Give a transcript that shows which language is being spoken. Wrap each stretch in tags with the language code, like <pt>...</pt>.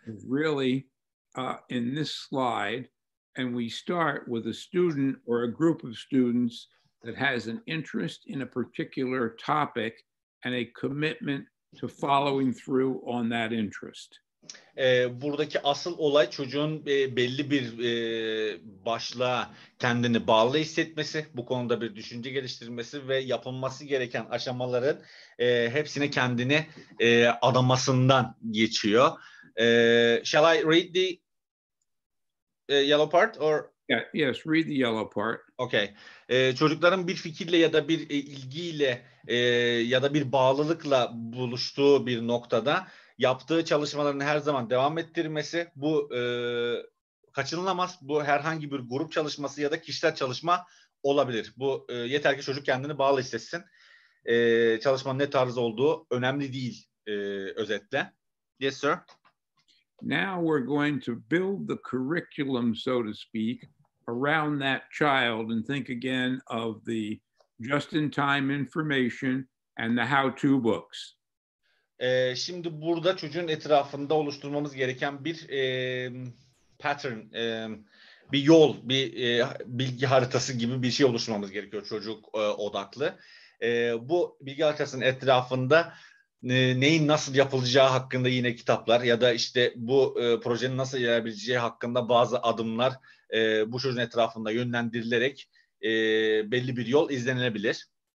<en>...really in this slide, and we start with a student or a group of students that has an interest in a particular topic and a commitment to following through on that interest.</en> <tr>Buradaki asıl olay çocuğun belli bir başlığa kendini bağlı hissetmesi, bu konuda bir düşünce geliştirmesi ve yapılması gereken aşamaların hepsine kendini adamasından geçiyor.</tr> <en>Shall I read the yellow part or... Yes, read the yellow part. Okay.</en> <tr>Çocukların bir fikirle ya da bir ilgiyle ya da bir bağlılıkla buluştuğu bir noktada yaptığı çalışmalarını her zaman devam ettirmesi, bu kaçınılamaz. Bu herhangi bir grup çalışması ya da kişisel çalışma olabilir. Bu yeter ki çocuk kendini bağlı hissetsin. Çalışmanın ne tarz olduğu önemli değil özetle.</tr> <en>Yes, sir. Now we're going to build the curriculum, so to speak, around that child and think again of the just-in-time information and the how-to books.</en> <tr>Şimdi burada çocuğun etrafında oluşturmamız gereken bir pattern, bir yol, bir bilgi haritası gibi bir şey oluşturmamız gerekiyor çocuk odaklı. Bu bilgi haritasının etrafında neyin nasıl yapılacağı hakkında yine kitaplar ya da işte bu projenin nasıl yapabileceği hakkında bazı adımlar bu çocuğun etrafında yönlendirilerek belli bir yol izlenilebilir.</tr>